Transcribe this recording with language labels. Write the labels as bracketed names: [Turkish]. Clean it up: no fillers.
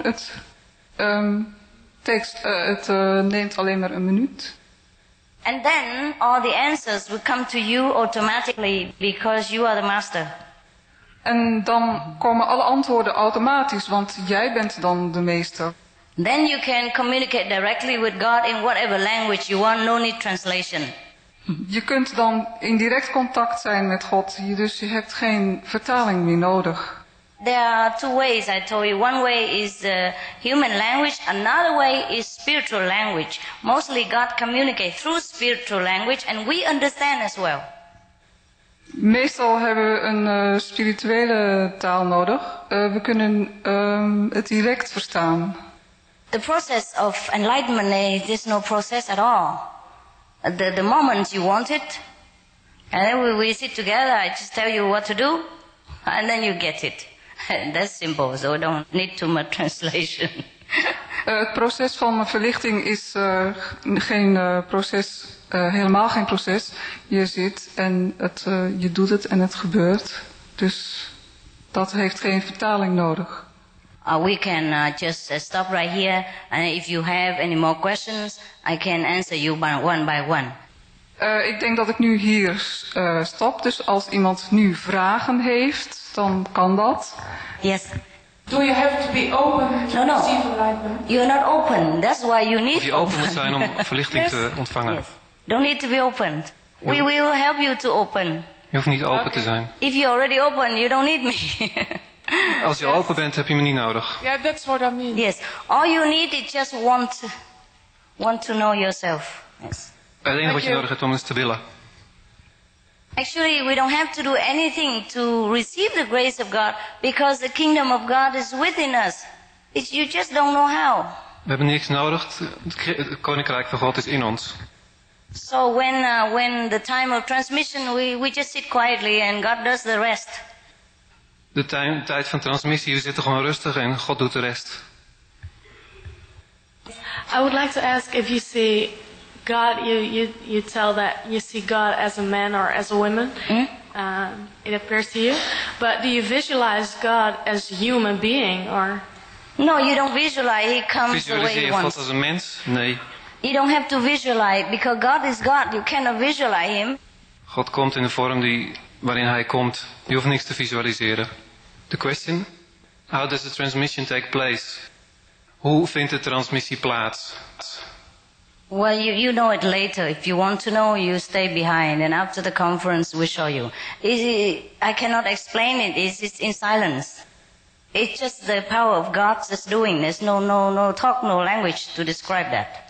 [Dutch] Het neemt alleen maar een minuut. [English] And then all the answers will come to you automatically because you are the master. [Dutch] En dan komen alle antwoorden automatisch, want jij bent dan de meester. [English] Then you can communicate directly with God in whatever language you want, no need translation. [Dutch] Je kunt dan in direct contact zijn met God, dus je hebt geen vertaling meer nodig. [English] There are two ways, I told you. One way is human language, another way is spiritual language. Mostly God communicates through spiritual language and we understand as well. [Dutch] Meestal hebben we een spirituele taal nodig. We kunnen het direct verstaan. [English] The process of enlightenment is no process at all. The moment you want it, and then we sit together, I just tell you what to do, and then you get it. That's simple, so we don't need too much translation. [Dutch] Het proces van verlichting is geen proces, helemaal geen proces. Je zit en je doet het en het gebeurt. Dus dat heeft geen vertaling nodig. [English] We can just stop right here. And if you have any more questions, I can answer you one by one. [Dutch] Ik denk dat ik nu hier stop. Dus als iemand nu vragen heeft, dan kan dat. [English] Yes. Do you have to be open to receive enlightenment? You're not open. That's why you need. [Dutch] Of je open moet zijn om verlichting te ontvangen. [English] Yes. Don't need to be opened. We will help you to open. [Dutch] Je hoeft niet open te zijn. [English] If you're already open, you don't need me. [Dutch] Als je open bent, heb je me niet nodig. [English] Yeah, that's what I mean. Yes. All you need is just want to know yourself. Yes. [Dutch] Het enige wat je nodig hebt om is te willen. [English] Actually, we don't have to do anything to receive the grace of God, because the kingdom of God is within us. You just don't know how. [Dutch] We hebben niks nodig. Het koninkrijk van God is in ons. [English] So when the time of transmission, we just sit quietly and God does the rest. [Dutch] De tijd van transmissie, we zitten gewoon rustig en God doet de rest. [English] I would like to ask if you see God, you tell that you see God as a man or as a woman. It appears to you, but do you visualize God as a human being or? No, you don't visualize. He comes the way he wants. [Dutch] Visualiseer God als een mens? Nee. [English] You don't have to visualize because God is God. You cannot visualize him. [Dutch] God komt in de vorm die waarin hij komt. Je hoeft niks te visualiseren. [English] The question: how does the transmission take place? [Dutch] Hoe vindt de transmissie plaats? [English] Well, you know it later. If you want to know, you stay behind. And after the conference, we show you. I cannot explain it. It's in silence. It's just the power of God that's doing. There's no talk, no language to describe that.